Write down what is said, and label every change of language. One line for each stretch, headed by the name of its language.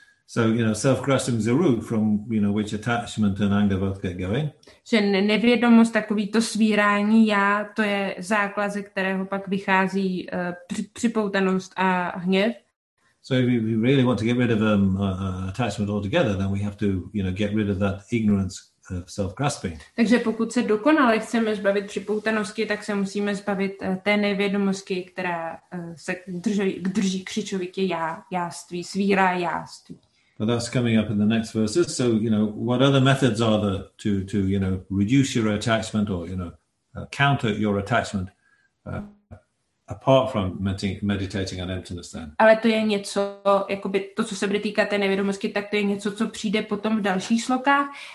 English: So, you know, self-grasping is a root from, you know, which attachment and anger both get going.
Czech: Že nevědomost, takový to svírání já, to je základ, ze kterého pak vychází připoutanost a hněv.
English: So if we really want to get rid of attachment altogether, then we have to, you know, get rid of that ignorance of self-grasping.
Czech: Takže pokud se dokonale chceme zbavit připoutanosti, tak se musíme zbavit té nevědomosti, která se drží křičovitě jáství, svírá jáství.
English: But that's coming up in the next verses. So, you know, what other methods are there to you know, reduce your attachment or, you know, counter your attachment apart from meditating on emptiness then?
Czech: Ale to je něco, jakoby to, co se bude týkat té nevědomosti, tak to je něco, co přijde potom v dalších slokách.